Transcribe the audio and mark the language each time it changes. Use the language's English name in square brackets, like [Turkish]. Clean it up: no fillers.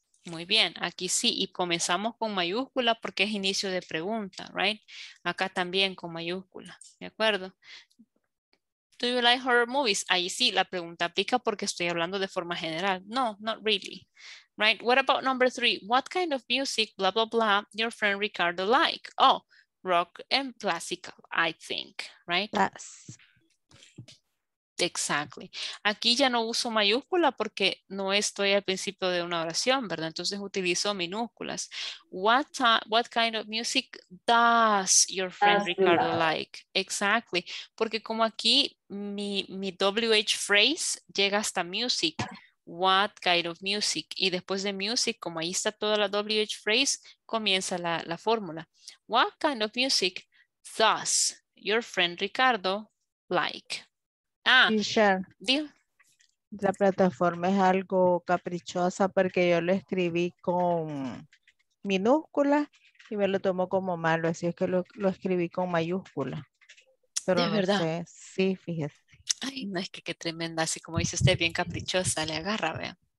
[Spanish] Muy bien, aquí sí, y comenzamos con mayúscula porque es inicio de pregunta, right? Acá también con mayúscula, ¿de acuerdo? [English] Do you like horror movies? [Spanish] Ahí sí, la pregunta aplica porque estoy hablando de forma general. [English] No, not really, right? What about number three? What kind of music, blah, blah, blah, your friend Ricardo like? Oh, rock and classical, I think, right? Yes. Exactly. [Spanish] Aquí ya no uso mayúscula porque no estoy al principio de una oración, ¿verdad? Entonces utilizo minúsculas. [English] What kind of music does your friend Ricardo like? Exactly. [Spanish] Porque como aquí mi WH phrase llega hasta music. [English] What kind of music? [Spanish] Y después de music, como ahí está toda la WH phrase, comienza la fórmula. [English] What kind of music does your friend Ricardo like? Ah, sure. [Spanish] La plataforma es algo caprichosa porque yo lo escribí con minúscula y me lo tomó como malo, así es que lo escribí con mayúscula. Pero ¿de verdad? No sé. Sí, fíjese. Ay, no, es que qué tremenda, así como dice usted, bien caprichosa, le agarra, vea.